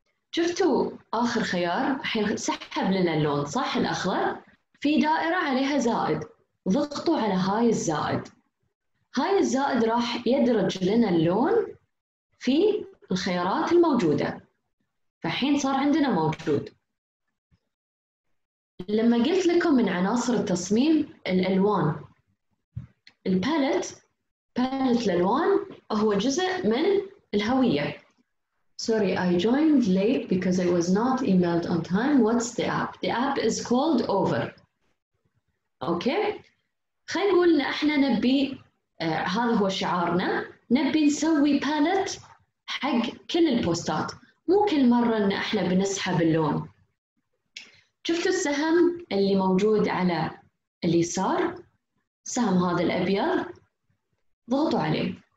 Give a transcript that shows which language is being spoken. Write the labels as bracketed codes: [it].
[ar] شفتوا آخر خيار الحين سحب لنا اللون صح الأخضر في دائرة عليها زائد، ضغطوا على هاي الزائد، هاي الزائد راح يدرج لنا اللون في الخيارات الموجودة، فحين صار عندنا موجود. لما قلت لكم من عناصر التصميم الألوان، الباليت، باليت الألوان هو جزء من الهوية. [en] Sorry, I joined late because I was not emailed on time. What's the app? The app is called Over. Okay. [ar] خلينا نقول إن إحنا نبي هذا هو شعارنا، نبي نسوي باليت حق كل البوستات، مو كل مرة إن إحنا بنسحب اللون. شفتوا السهم اللي موجود على اليسار؟ سهم هذا الأبيض، ضغطوا عليه.